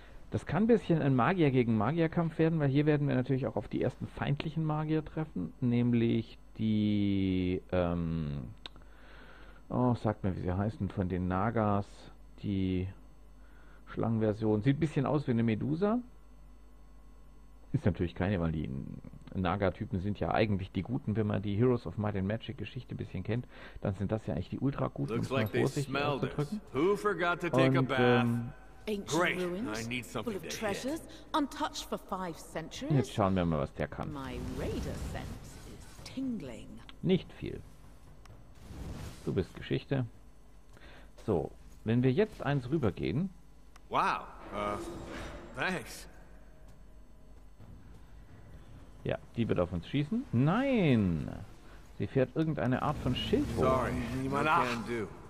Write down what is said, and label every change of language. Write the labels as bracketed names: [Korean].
[German] Das kann ein bisschen ein Magier gegen Magierkampf werden, weil hier werden wir natürlich auch auf die ersten feindlichen Magier treffen, nämlich die, oh, sagt mir, wie sie heißen, von den Nagas, die Schlangenversion. Sieht ein bisschen aus wie eine Medusa. Ist natürlich keine, weil die Naga-Typen sind ja eigentlich die Guten, wenn man die Heroes of Might and Magic Geschichte ein bisschen kennt, dann sind das ja eigentlich die Ultra-Guten, um es mal vorsichtig auszudrücken. [English] Who forgot to take a bath? Ancient ruins, I need something full of treasures, untouched for 5 centuries. [German] Jetzt schauen wir mal, was der kann. [English] My radar sense is tingling. [German] Nicht viel. Du bist Geschichte. So, wenn wir jetzt eins rübergehen. [English] Wow, thanks. [German] Ja, die wird auf uns schießen. Nein! Sie fährt irgendeine Art von Schild hoch. Sorry, niemand kann.